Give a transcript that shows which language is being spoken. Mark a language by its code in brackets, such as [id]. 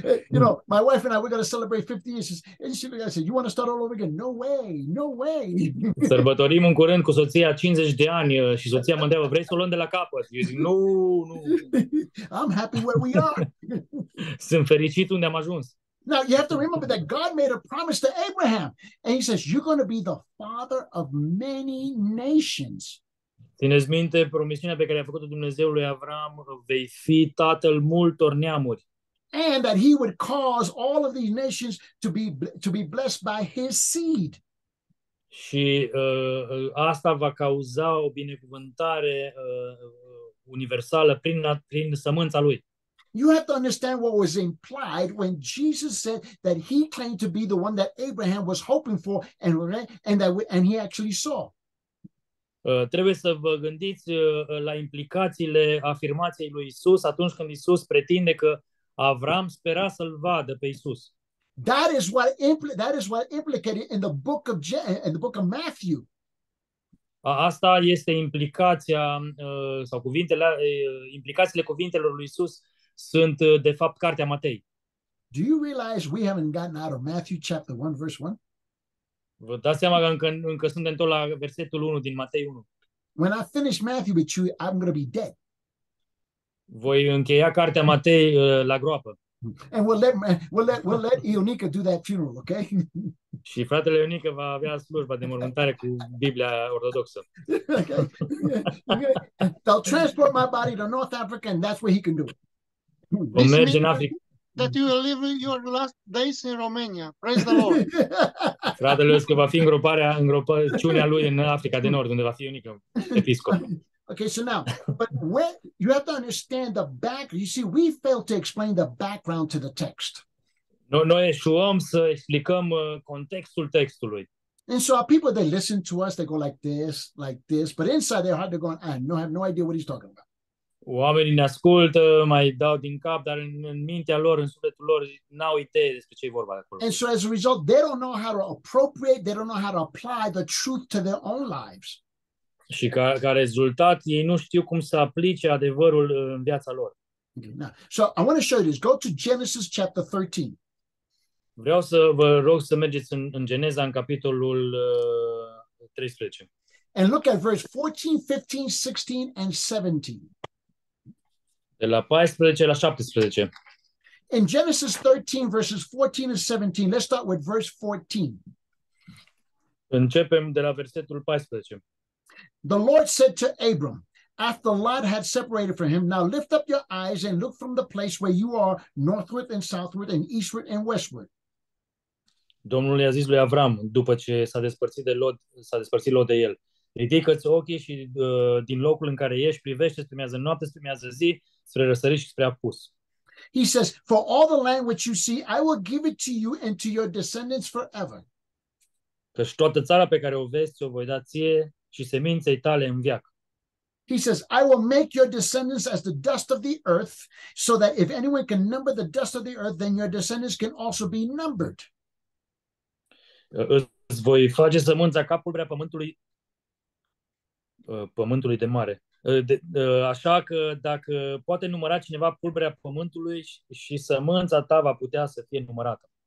[en] You know, my wife and I, we're going to celebrate 50 years. And she said, you want to start all over again? No way, no way. [ro] Sărbătorim în curând cu soția 50 de ani și soția mă întreabă, vrei să o luăm de la capăt? Eu zic, nu, nu. [en] I'm happy where we are. [ro] Sunt fericit unde am ajuns. [en] Now, you have to remember that God made a promise to Abraham. And he says, you're going to be the father of many nations. [ro] Țineți minte promisiunea pe care a făcut-o Dumnezeu lui Avram, vei fi tatăl multor neamuri. [en] And that he would cause all of these nations to be blessed by his seed. [ro] Și asta va cauza o binecuvântare universală prin sămânța lui. [en] You have to understand what was implied when Jesus said that he claimed to be the one that Abraham was hoping for and he actually saw. [ro] Trebuie să vă gândiți la implicațiile afirmației lui Isus atunci când Isus pretinde că Avram spera să-l vadă pe Isus. [en] That is what implicated in the book of Matthew. [ro] Asta este implicația sau cuvintele implicațiile cuvintelor lui Isus sunt de fapt cartea Matei. [en] Do you realize we haven't gotten out of Matthew chapter 1 verse 1? [ro] Vă dați seama că încă suntem tot la versetul 1 din Matei 1. [en] When I finish Matthew with you, I'm going to be dead. [ro] Voi încheia cartea Matei la groapă. [en] And we'll let Ionica do that funeral, okay? [ro] Și fratele Ionica va avea slujba de mormântare cu Biblia ortodoxă. [en] Okay. They'll transport my body to North Africa and that's where he can do it. [ro] Vom merge în Africa. [en] That you will live your last days in Romania. Praise the Lord. [ro] Fratele Iosca va fi îngropăciunea lui în Africa de Nord, unde va fi Ionica episcop. [en] Okay, so now, but when you have to understand the back, you see, we fail to explain the background to the text. [ro] Noi eșuăm să explicăm contextul textului. [en] And so our people, they listen to us, they go like this, but inside their heart they're going, I have no idea what he's talking about. [ro] Oamenii ne ascultă, mai dau din cap, dar în mintea lor, în sufletul lor, n-au idee despre ce e vorba de acolo. [en] And so as a result, they don't know how to appropriate, they don't know how to apply the truth to their own lives. [ro] Și ca rezultat, ei nu știu cum să aplice adevărul în viața lor. [en] Okay, now, so I want to show you this. Go to Genesis chapter 13. [ro] Vreau să vă rog să mergeți în Geneza, în capitolul 13. [en] And look at verse 14, 15, 16 and 17. [ro] De la 14 la 17. [en] In Genesis 13, verses 14 and 17, let's start with verse 14. [ro] Începem de la versetul 14. [en] The Lord said to Abram, after Lot had separated from him, now lift up your eyes and look from the place where you are, northward and southward and eastward and westward. [ro] Domnul i-a zis lui Avram, după ce s-a despărțit Lot de el, ridică-ți ochii și din locul în care ești, privește spre miază noapte, spre miază zi, spre răsărit și spre apus. [en] He says, for all the land which you see, I will give it to you and to your descendants forever. [ro] Căci toată țara pe care o vezi, ți-o voi da ție și seminței tale în veac. [en] He says, I will make your descendants as the dust of the earth, so that if anyone can number the dust of the earth, then your descendants can also be numbered. [ro] Îți voi face sămânța ca pulberea pământului de mare. Așa că dacă poate număra cineva pulberea pământului și sămânța ta va putea să fie numărată.